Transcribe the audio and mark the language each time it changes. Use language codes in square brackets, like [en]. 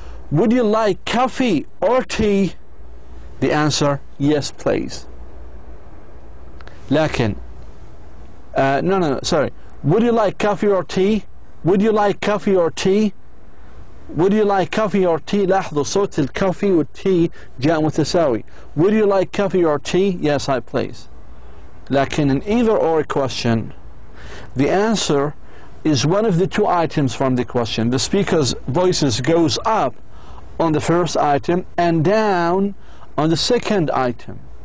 [en] Would you like coffee or tea? The answer, yes, please. [ar] لكن. [en] No, sorry. Would you like coffee or tea? Would you like coffee or tea? Would you like coffee or tea? [ar] لاحظوا صوت الكافي والتي جاء متساوي. [en] Would you like coffee or tea? Yes, I please. Lacking an either-or question, the answer is one of the two items from the question. The speaker's voice goes up on the first item and down on the second item.